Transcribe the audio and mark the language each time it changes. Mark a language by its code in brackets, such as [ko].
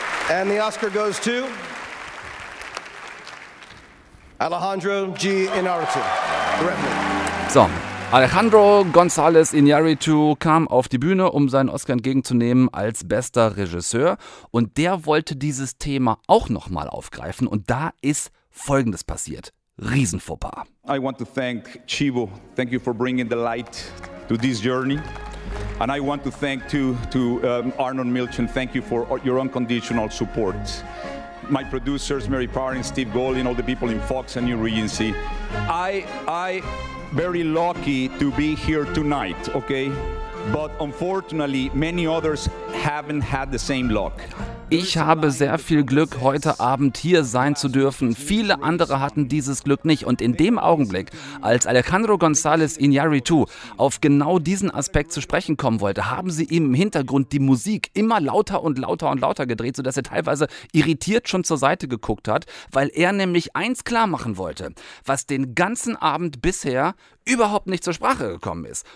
[en] And the Oscar goes to Alejandro G. Inarritu. [de] So. Alejandro González Iñárritu kam auf die Bühne, um seinen Oscar entgegenzunehmen als bester Regisseur. Und der wollte dieses Thema auch nochmal aufgreifen. Und da ist Folgendes passiert. Riesenfauxpas. [en] I want to thank Chivo. Thank you for bringing the light to this journey. And I want to thank to Arnon Milchan. Thank you for your unconditional support. My producers, Mary Parin, Steve Golin, all the people in Fox and New Regency. I very lucky to be here tonight, okay? But unfortunately, many others haven't had the same luck. [de] Ich habe sehr viel Glück, heute Abend hier sein zu dürfen. Viele andere hatten dieses Glück nicht. Und in dem Augenblick, als Alejandro González Iñárritu auf genau diesen Aspekt zu sprechen kommen wollte, haben sie ihm im Hintergrund die Musik immer lauter und lauter und lauter gedreht, sodass er teilweise irritiert schon zur Seite geguckt hat, weil er nämlich eins klar machen wollte, was den ganzen Abend bisher überhaupt nicht zur Sprache gekommen ist.